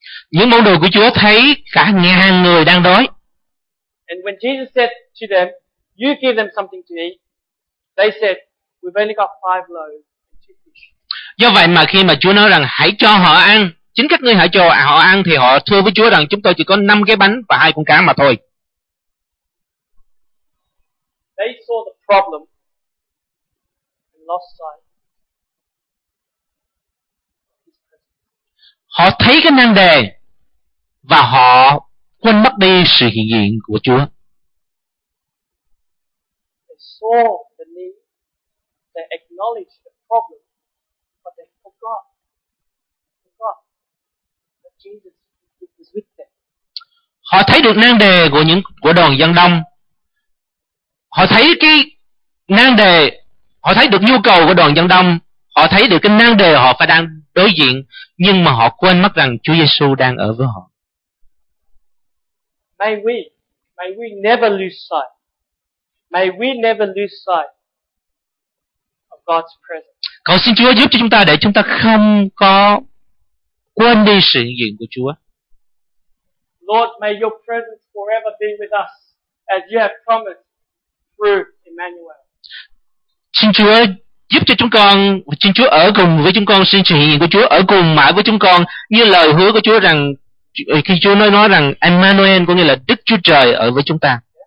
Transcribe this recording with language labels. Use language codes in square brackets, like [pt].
[vi] Những môn đồ của Chúa thấy cả ngàn người đang đói. [en] And when Jesus said to them, "You give them something to eat," they said, "We've only got 5 loaves and 2 fish." [vi] Do vậy mà khi mà Chúa nói rằng hãy cho họ ăn, chính các ngươi hãy cho họ ăn thì họ thưa với Chúa rằng chúng tôi chỉ có 5 cái bánh và 2 con cá mà thôi. [en] They saw the problem and lost sight. [vi] Họ thấy cái nan đề và họ quên mất đi sự hiện diện của Chúa. [en] They saw the need, they acknowledged the problem, but they forgot that Jesus is with them. [vi] Họ thấy được nan đề của đoàn dân đông. Họ thấy cái nan đề, họ thấy được nhu cầu của đoàn dân đông. Họ thấy được cái nan đề họ phải đang đối diện, nhưng mà họ quên mất rằng Chúa Giêsu đang ở với họ. [en] May we never lose sight. May we never lose sight of God's presence. [vi] Cầu xin Chúa giúp cho chúng ta để chúng ta không có quên đi sự hiện diện của Chúa. [en] Lord, may your presence forever be with us as you have promised through Emmanuel. [vi] Xin Chúa giúp cho chúng con, xin Chúa ở cùng với chúng con, xin sự hiện diện của Chúa ở cùng mãi với chúng con, như lời hứa của Chúa rằng, khi Chúa nói rằng Emmanuel có nghĩa là Đức Chúa Trời ở với chúng ta.